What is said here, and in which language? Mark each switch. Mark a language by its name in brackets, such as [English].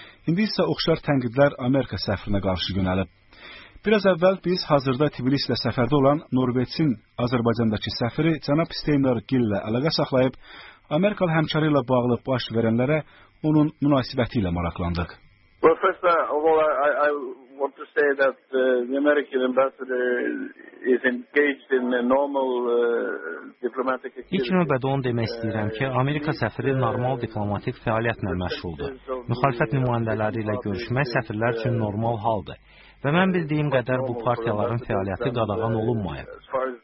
[Azerbaijani] İndi isə oxşar tənqidlər Amerika səfirinə qarşı yönəlib. Biraz əvvəl biz hazırda Tbilisi ilə səfərdə olan Norveçin Azərbaycandakı səfiri cənab Steinar Gil ilə əlaqə saxlayıb, Amerikalı həmkarı ilə bağlı baş verənlərə onun münasibəti ilə maraqlandıq. [English] Well, first of all, I want to say that the American ambassador is engaged in a normal diplomatic activity. [Azerbaijani] İlk növbədə onu demək istəyirəm ki, Amerika səfiri normal diplomatik fəaliyyətlə məşğuldur. Müxalifət nümayəndələri ilə görüşmək səfirlər üçün normal haldır. Və mən bildiyim qədər bu partiyaların fəaliyyəti qadağan olunmayıb.